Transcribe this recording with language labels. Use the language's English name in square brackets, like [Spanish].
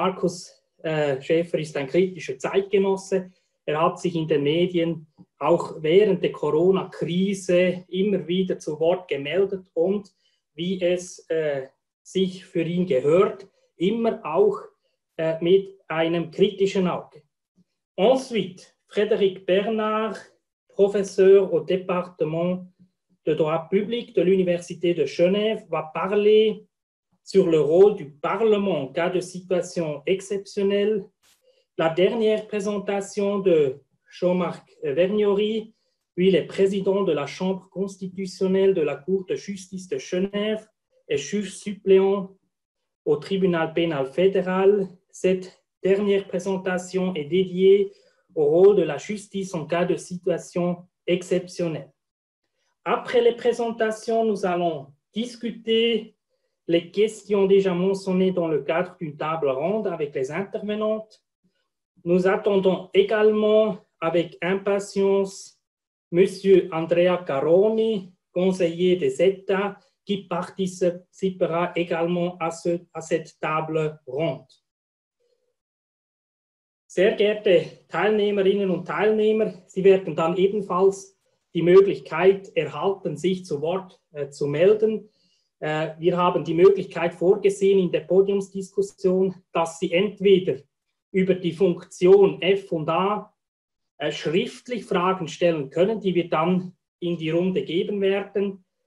[German] Markus Schäfer ist ein kritischer Zeitgenosse. Er hat sich in den Medien auch während der Corona-Krise immer wieder zu Wort gemeldet und, wie es sich für ihn gehört, immer auch mit einem kritischen Auge. [French] Ensuite, Frédéric Bernard, professeur au département de droit public de l'Université de Genève, va parler sur le rôle du Parlement en cas de situation exceptionnelle. La dernière présentation de Jean-Marc Vergnori, lui le président de la Chambre constitutionnelle de la Cour de justice de Genève et juge suppléant au Tribunal pénal fédéral. Cette dernière présentation est dédiée au rôle de la justice en cas de situation exceptionnelle. Après les présentations, nous allons discuter les questions déjà mentionnées dans le cadre d'une table ronde avec les intervenantes. Nous attendons également avec impatience M. Andrea Caroni, conseiller des États, qui participera également à cette table ronde. [German] Sehr geehrte Teilnehmerinnen und Teilnehmer, Sie werden dann ebenfalls die Möglichkeit erhalten, sich zu Wort zu melden. Wir haben die Möglichkeit vorgesehen in der Podiumsdiskussion, dass Sie entweder über die Funktion F und A schriftlich Fragen stellen können, die wir dann in die Runde geben werden.